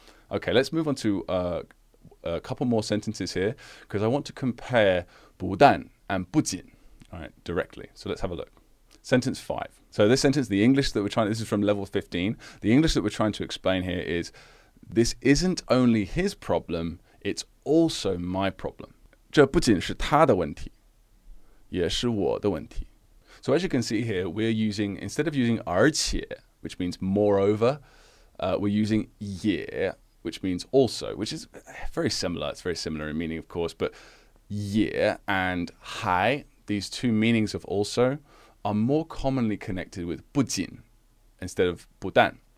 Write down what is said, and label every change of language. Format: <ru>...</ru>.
<en>Okay, let's move on to a couple more sentences here, because I want to compare 不但 and 不仅, all right, directly. So let's have a look. Sentence five. So this sentence, the English that we're trying, this is from level 15. The English that we're trying to explain here is, this isn't only his problem, it's also my problem.</en> <zh>这不仅是他的问题，也是我的问题。</zh> <en>So as you can see here, we're using, instead of using 而且, which means moreover, we're using 也, which means also, which is very similar. It's very similar in meaning, of course, but 也 and 还, these two meanings of also, are more commonly connected with 不仅 instead of 不但.</en>